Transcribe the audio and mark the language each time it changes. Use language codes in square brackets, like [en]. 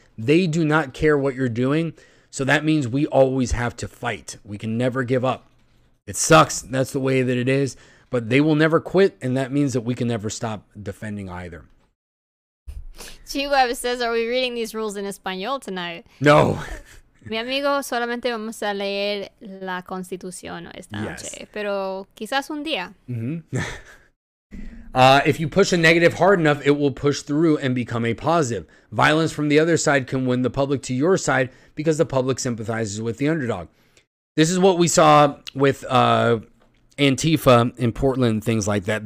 [en] They do not care what you're doing. So that means we always have to fight. We can never give up. It sucks. That's the way that it is. But they will never quit and that means that we can never stop defending either. G-Web says, are we reading these rules in Espanol tonight? No. [es] Mi amigo, solamente vamos a leer la Constitución esta noche, yes. Pero quizás un día. Mm-hmm. [en] If you push a negative hard enough, it will push through and become a positive. Violence from the other side can win the public to your side because the public sympathizes with the underdog. This is what we saw with Antifa in Portland, things like that.